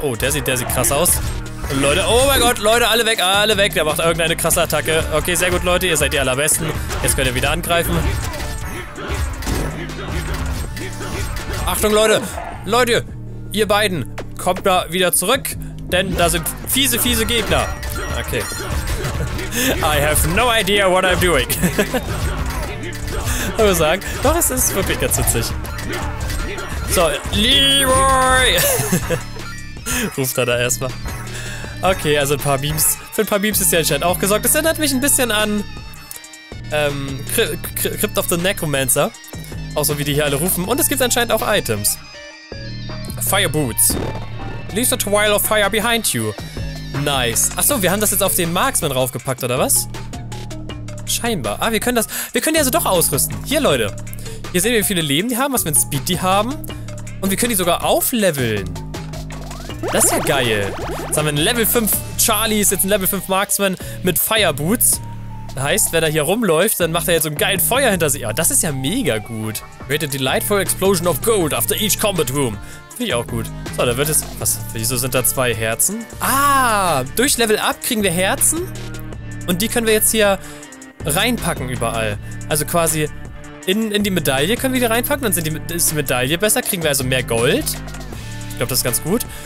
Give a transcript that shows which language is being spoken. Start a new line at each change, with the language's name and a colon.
German: Oh, der sieht krass aus. Leute, oh mein Gott, Leute, alle weg. Der macht irgendeine krasse Attacke. Okay, sehr gut, Leute, ihr seid die Allerbesten. Jetzt könnt ihr wieder angreifen. Achtung, Leute. Leute, ihr beiden, kommt da wieder zurück, denn da sind fiese, fiese Gegner. Okay.
English: I have no idea what I'm doing.
German: Ich muss sagen, doch, es ist wirklich ganz witzig. So, Leroy! Ruft er da erstmal. Okay, also ein paar Memes. Für ein paar Memes ist ja anscheinend auch gesorgt. Das erinnert mich ein bisschen an Crypt of the Necromancer. Auch so, wie die hier alle rufen. Und es gibt anscheinend auch Items.
English: Fire Boots. Leave the Trail of Fire behind you. Nice.
German: Achso, wir haben das jetzt auf den Marksman raufgepackt, oder was? Scheinbar. Ah, wir können die also doch ausrüsten. Hier, Leute. Hier sehen wir, wie viele Leben die haben, was für ein Speed die haben. Und wir können die sogar aufleveln. Das ist ja geil. Jetzt haben wir einen Level 5 Charlie, ist jetzt ein Level 5 Marksman mit Fire Boots. Das heißt, wenn er hier rumläuft, dann macht er jetzt so ein geiles Feuer hinter sich. Ja, das ist ja mega gut.
English: Create a delightful explosion of gold after each combat room.
German: Finde ich auch gut. So, da wird es... Was? Wieso sind da zwei Herzen? Ah, durch Level Up kriegen wir Herzen. Und die können wir jetzt hier reinpacken überall. Also quasi in die Medaille können wir die reinpacken. Dann ist die Medaille besser. Kriegen wir also mehr Gold. Ich glaube, das ist ganz gut.